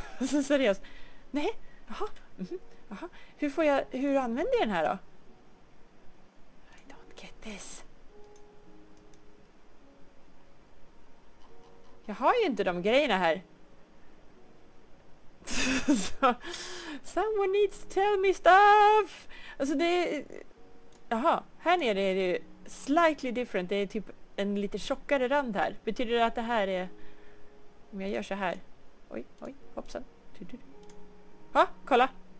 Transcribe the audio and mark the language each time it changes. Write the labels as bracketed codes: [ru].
[sv] Så seriöst. Nej, jaha. Mm-hmm. Jaha. Hur använder jag den här då? [en] I don't get this. [sv] Jag har ju inte de grejerna här. [en] Someone needs to tell me stuff. [sv] Alltså det är... Jaha, här nere är det ju [en] slightly different. [sv] Det är typ en lite tjockare rand här. Betyder det att det här är... Om jag gör så här... Oj, oj, hoppsan. Ha, kolla!